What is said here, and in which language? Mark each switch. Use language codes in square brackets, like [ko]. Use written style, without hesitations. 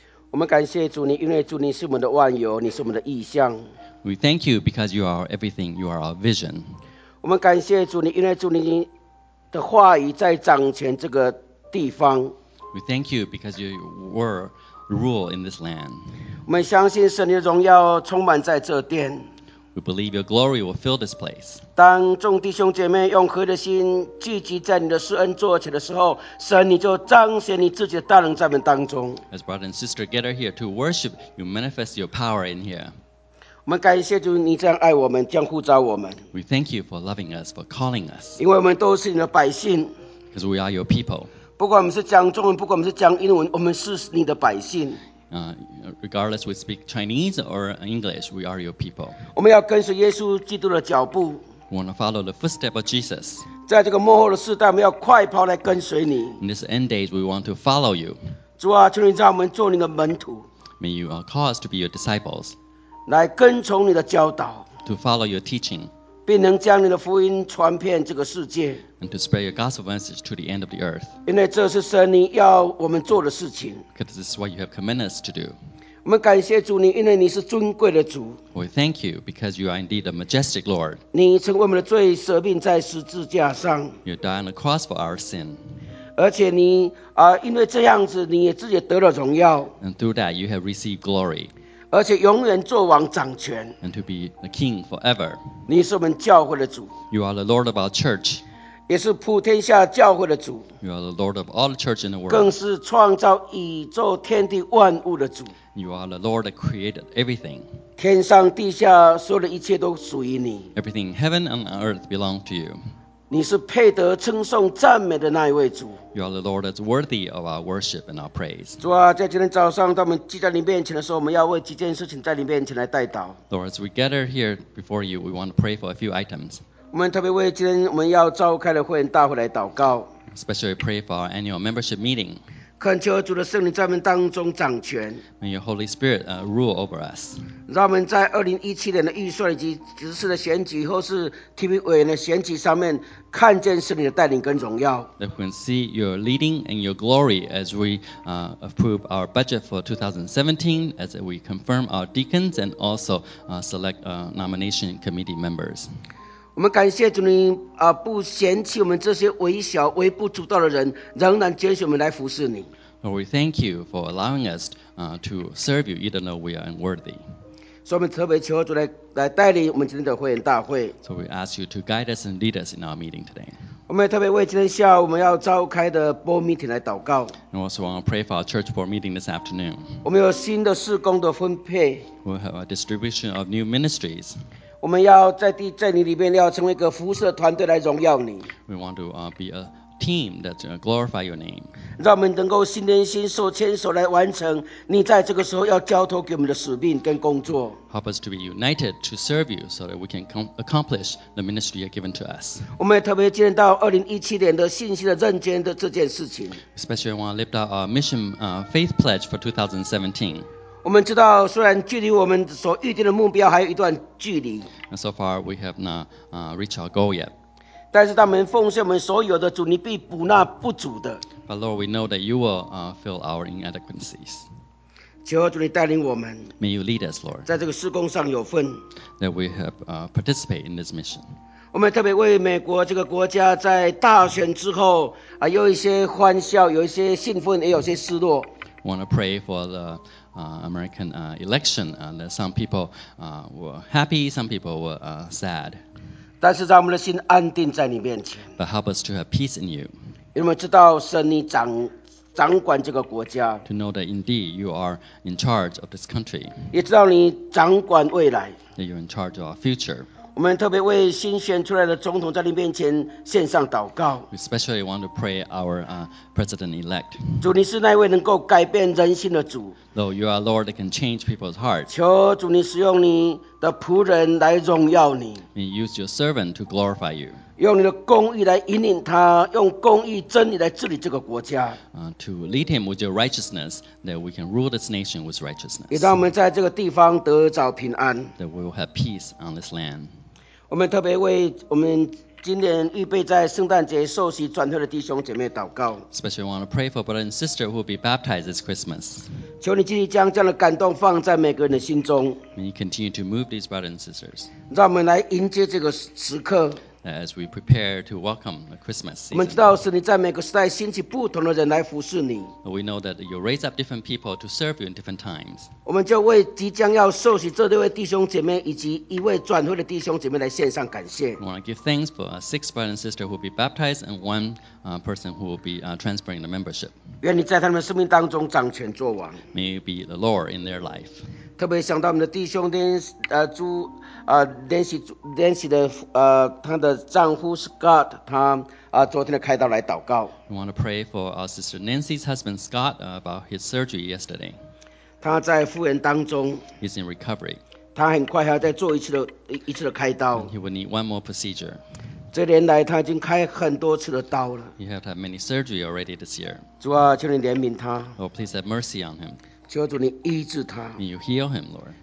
[zh] 我们感谢主你，因为主你是我们的万有，你是我们的意象。 [en] We thank you because you are everything, you are our vision。 [zh] 我们感谢主你，因为主你的话语在掌权这个地方。 [en] We thank you because you were rule in this land。 [zh] 我们相信神的荣耀充满在这殿。 [en] We believe your glory will fill this place. [zh] 当众弟兄姐妹用合的心聚集在你的施恩座前的时候，神你就彰显你自己的大能在我们当中。 [en] As brother and sister gather here to worship, you manifest your power in here. [zh] 我们感谢主，你这样爱我们，这样呼召我们。 [en] We thank you for loving us, for calling us. [zh] 因为我们都是你的百姓。 [en] Because we are your people. [zh] 不管我们是讲中文，不管我们是讲英文，我们是你的百姓。 [en] Regardless we speak Chinese or English, we are your people. [zh] 我们要跟随耶稣基督的脚步。 [en] We want to follow the footsteps of Jesus. [zh] 在这个末后的时代，我们要快跑来跟随你。 [en] In this end days, we want to follow you. [zh] 主啊，求你让我们做你的门徒。 [en] May you call us to be your disciples. [zh] 来跟从你的教导。 [en] To follow your teaching. [zh] 并能将你的福音传遍这个世界。 [en] And to spread your gospel message to the end of the earth. [zh] 因为这是神你要我们做的事情。 [en] Because this is what you have commanded us to do. [zh] 我们感谢主你，因为你是尊贵的主。 [en] We thank you because you are indeed a majestic Lord. [zh] 你曾为我们的罪舍命在十字架上。 [en] You died on the cross for our sin. [zh] 而且你因为这样子，你也自己得了荣耀。 [en] And through that, you have received glory. [zh] 而且永远作王掌权。 [en] And to be a king forever. [zh] 你是我们教会的主。 [en] You are the Lord of our church. [zh] 也是普天下教会的主。 [en] You are the Lord of all the church in the world. [zh] 更是创造宇宙天地万物的主。 [en] You are the Lord that created everything. [zh] 天上地下所有的一切都属于你。 [en] Everything in heaven and on earth belong to you. [zh] 你是配得称颂赞美的那一位主。 [en] You are the Lord that's worthy of our worship and our praise. [zh] 主啊，在今天早上，当我们聚在你面前的时候，我们要为几件事情在你面前来代祷。 [en] Lord, as we gather here before you, we want to pray for a few items. [zh] 我们特别为今天我们要召开的会员大会来祷告。 [en] Especially pray for our annual membership meeting. [zh] 恳求主的圣灵在我们当中掌权。 [en] May your Holy Spirit rule over us. [zh] 让我们在2017年的预算以及执事的选举或是提名委员的选举上面看见圣灵的带领跟荣耀。 [en] That we can see your leading and your glory as we approve our budget for 2017, as we confirm our deacons and also select nomination committee members. [zh] 我们感谢主你、不嫌弃我们这些微小微不足道的人，仍然拣选我们来服侍你。 [en] Lord, we thank you for allowing us、to serve you, even though we are unworthy. [zh] 所以我们特别求主 来带领我们今天的会员大会。 [en] So we ask you to guide us and lead us in our meeting today. [zh] 我们也特别为今天下午我们要召开的 [en] board meeting [zh] 来祷告。 [en] And also want to pray for our church board meeting this afternoon. [zh] 我们有新的事工的分配。 [en] We have a distribution of new ministries. [zh] 我们要 在你里面要成为一个服侍团队来荣耀你。 [en] We want to、be a team that's going to glorify your name. [zh] 让我们能够心连心手牵手来完成你在这个时候要交托给我们的使命跟工作。 [en] Help us to be united to serve you so that we can accomplish the ministry you've given to us. [zh] 我们也特别纪念到2017年的信心的认捐的这件事情。 [en] Especially want to lift out our mission、faith pledge for 2017. [zh] 我们知道虽然距离我们所预定的目标还有一段距离 [en] And so far we have not、reached our goal yet [zh] 但是当我们奉献我们所有的主你必补纳不足的 [en] But Lord we know that you will、fill our inadequacies [zh] 求主你带领我们 [en] May you lead us Lord [zh] 在这个事工上有份 [en] That we have、participate in this mission [zh] 我们特别为美国这个国家在大选之后、有一些欢笑有一些兴奋也有些失落 [en] We want to pray for theAmerican election and some people、were happy some people were、sad [zh] 但是让我们的心安定在你面前 [en] but help us to have peace in you [zh] 因为我们知道神你 掌管这个国家 [en] to know that indeed you are in charge of this country [zh] 也知道你掌管未来 [en] that you're in charge of our future [zh] 我们特别为新选出来的总统在你面前献上祷告 [en] we especially want to pray our、president-elect [zh] 主你是那位能够改变人心的主 [en] Though you are Lord that can change people's hearts. [zh] 求主你使用你的仆人来荣耀你。 [en] And use your servant to glorify you. [zh] 用你的公义来引领他，用公义真理来治理这个国家。 [en] To lead him with your righteousness, that we can rule this nation with righteousness. [zh] 也让我们在这个地方得着平安。 [en] That we will have peace on this land. [zh] 我们特别为我们今年预备在圣诞节受洗转会的弟兄姐妹祷告。 [en] Especially want to pray for brother and sister who will be baptized this Christmas. [zh] 求你继续将这样的感动放在每个人的心中。 [en] May you continue to move these brothers and sisters. [zh] 让我们来迎接这个时刻。 [en] As we prepare to welcome the Christmas season. [zh] 我们知道是你在每个时代兴起不同的人来服侍你。 [en] We know that you raise up different people to serve you in different times. [zh] 我们就为即将要受洗这六位弟兄姐妹以及一位转会的弟兄姐妹来献上感谢。 [en] We want to give thanks for a six brother and sister who will be baptized and one、person who will be、transferring the membership. [zh] 愿你在他们生命当中掌权作王。 [en] May you be the Lord in their life. [zh] 特别想到我们的弟兄丁、朱Nancy 的她的丈夫 Scott 她、昨天的开刀来祷告 [en] We want to pray for our sister Nancy's husband Scott about his surgery yesterday [zh] 她在复原当中 [en] He's in recovery [zh] 她很快还要再做一次的开刀 [en] He will need one more procedure [zh] 这年来她已经开很多次的刀了 [en] He had many surgery already this year [zh] 主啊求你怜悯她 [en] Lord please have mercy on him [zh] 求主你医治他 [en] May you heal him, Lord.